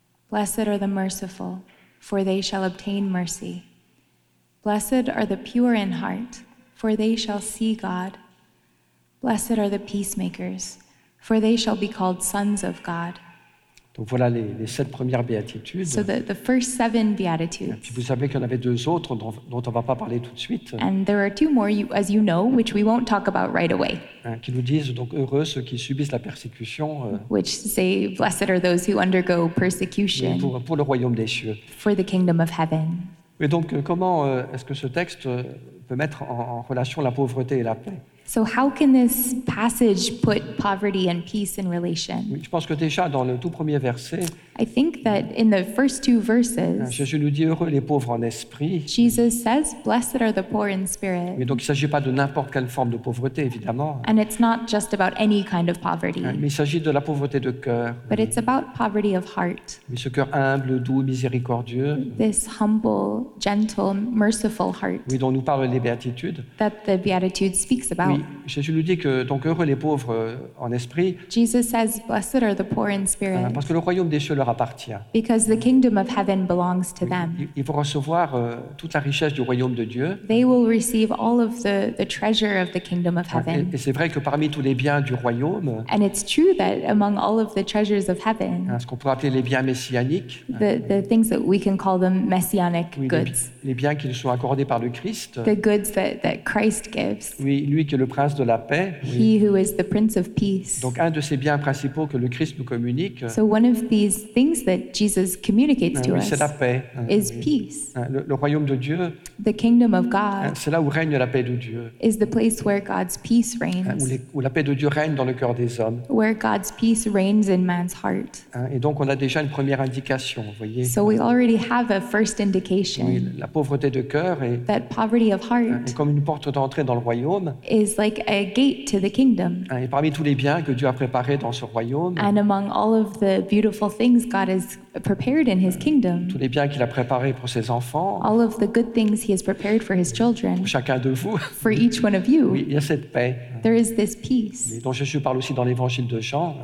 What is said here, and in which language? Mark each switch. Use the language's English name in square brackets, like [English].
[English] Blessed are the merciful, for they shall obtain mercy. Blessed are the pure in heart, for they shall see God. Blessed are the peacemakers, for they shall be called sons of God. [French] Donc voilà les sept premières béatitudes. [English] So the first seven beatitudes. [French] Et puis vous savez qu'il y en avait deux autres dont on va pas parler tout de suite. [English] And there are two more, as you know, which we won't talk about right away. [French] Qui nous disent donc heureux ceux qui subissent la persécution. [English] Which say blessed are those who undergo persecution. [French] Pour le royaume des cieux. [English] For the kingdom of heaven. [French] Et donc comment est-ce que ce texte peut mettre en relation la pauvreté et la paix? [English] So how can this passage put poverty and peace in relation? [French] Je pense que déjà dans le tout premier verset. [English] I think that in the first two verses. [French] Jésus nous dit heureux les pauvres en esprit. [English] Jesus says, blessed are the poor in spirit. [French] Mais donc il ne s'agit pas de n'importe quelle forme de pauvreté, évidemment. [English] And it's not just about any kind of poverty. [French] Mais il s'agit de la pauvreté de cœur. [English] But it's about poverty of heart. [French] Mais ce cœur humble, doux, miséricordieux. [English] This humble, gentle, merciful heart. [French] Oui, dont nous parlent les béatitudes. [English] That the beatitude speaks about. [French] Oui, Jésus nous dit que donc heureux les pauvres en esprit. [English] Jesus says, blessed are the poor in spirit. [French] Parce que le royaume des cieux leur appartient. [English] Because the kingdom of heaven belongs to them. [French] Ils vont recevoir toute la richesse du royaume de Dieu. [English] They will receive all of the treasure of the kingdom of heaven. [French] Et c'est vrai que parmi tous les biens du royaume. [English] And it's true that among all of the treasures of heaven. [French] Ce qu'on pourrait appeler les biens messianiques. [English] The things that we can call them messianic goods. [French] Les biens qui nous sont accordés par le Christ. [English] The goods that Christ gives. [French] Oui, lui qui est le prince de la paix. [English] He who is the prince of peace. [French] Donc un de ces biens principaux que le Christ nous communique. [English] So one of these things that Jesus communicates to us. [French] C'est la paix. [English] Is peace. [French] Le royaume de Dieu. [English] The kingdom of God. [French] C'est là où règne la paix de Dieu. [English] Is the place where God's peace reigns. [French] Où la paix de Dieu règne dans le cœur des hommes. [English] Where God's peace reigns in man's heart. [French] Et donc on a déjà une première indication, vous voyez. [English] So we already have a first indication. [French] Oui, la pauvreté de cœur est. [English] That poverty of heart. [French] Comme une porte d'entrée dans le royaume. [English] Is like a gate to the kingdom. [French] Et parmi tous les biens que Dieu a préparés dans ce royaume. [English] And among all of the beautiful things God has prepared in his kingdom. [French] Tous les biens qu'il a préparés pour ses enfants. [English] All of the good things he has prepared for his children. [French] Pour chacun de vous. [English] For each one of you. [French] Oui, il y a cette paix. [English] There is this peace. [French] Et dont Jésus parle aussi dans l'évangile de Jean.